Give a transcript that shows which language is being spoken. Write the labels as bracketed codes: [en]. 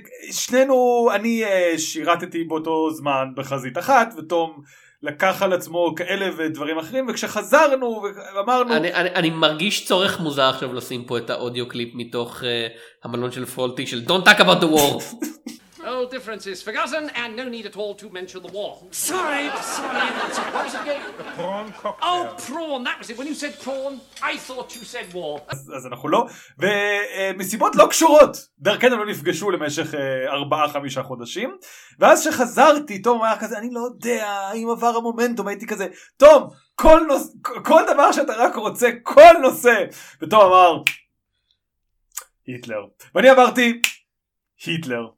[he] ושנינו, אני שירתתי באותו זמן בחזית אחת, ותום לקח על עצמו כאלה ודברים אחרים, וכשחזרנו ואמרנו... אני מרגיש צורך מוזר עכשיו לשים פה את האודיו קליפ מתוך המלון של פולטי, של [en] Don't talk about the war. All difference is forgotten, and no need at all to mention the war. Sorry. What was it again? The prawn cocktail. Oh, prawn, that was it. When you said prawn, I thought you said war. [he] אז אנחנו לא. ומסיבות לא קשורות. דרכנו לא נפגשו למשך 4-5 חודשים. ואז שחזרתי, תום היה כזה, אני לא יודע אם עבר המומנטום, הייתי כזה, תום, כל דבר שאתה רק רוצה, כל נושא. ותום אמר, היטלר. ואני אמרתי, היטלר.